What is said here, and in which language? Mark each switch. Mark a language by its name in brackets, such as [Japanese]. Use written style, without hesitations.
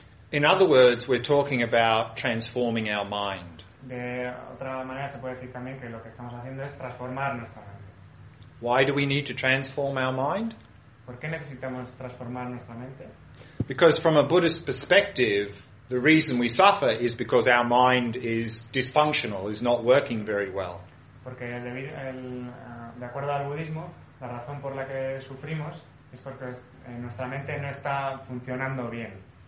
[English] In other words, we're talking about transforming our mind. [Spanish] De otra manera se puede decir también que lo que estamos haciendo es transformar nuestra mente. [English] Why do we need to transform our mind? [Spanish] ¿Por qué necesitamos transformar nuestra mente? [English] Because from a Buddhist perspective, the reason we suffer is because our mind is dysfunctional, is not working very well. [Spanish] Porque de acuerdo al budismo, la razón por la que sufrimos es porque nuestra mente no está funcionando bien.